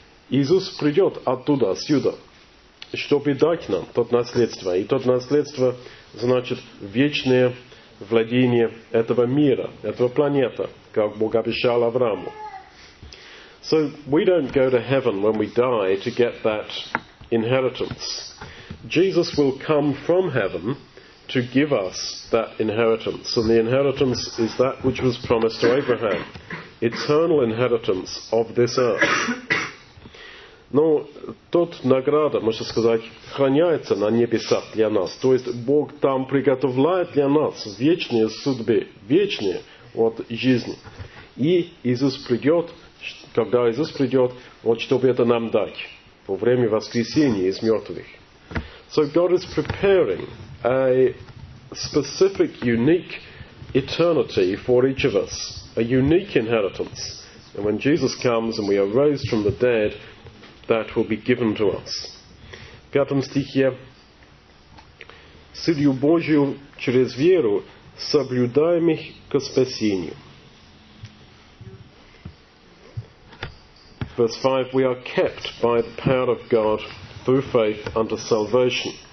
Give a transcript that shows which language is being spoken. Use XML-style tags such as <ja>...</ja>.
<ru>Иисус придет оттуда, сюда, чтобы дать нам то наследство. И то наследство значит вечное владение этого мира, этого планета, как Бог обещал Аврааму.</ru> <en>So we don't go to heaven when we die to get that inheritance. Jesus will come from heaven to give us that inheritance. And the inheritance is that which was promised to Abraham. Eternal inheritance of this earth.</en> <ru>Но тот награда, можно сказать, храняется на небесах для нас. То есть Бог там приготовляет для нас вечные судьбы, вечные жизни. И Иисус придет, когда Иисус придет, вот чтобы это нам дать. Во время воскресения из мертвых.</ru> <en>So God is preparing a specific, unique eternity for each of us. A unique inheritance. And when Jesus comes and we are raised from the dead, that will be given to us.</en> <ru>В пятом стихе. Силью Божию через веру соблюдаем их ко спасению.</ru> <en>Verse 5, we are kept by the power of God through faith unto salvation.</en>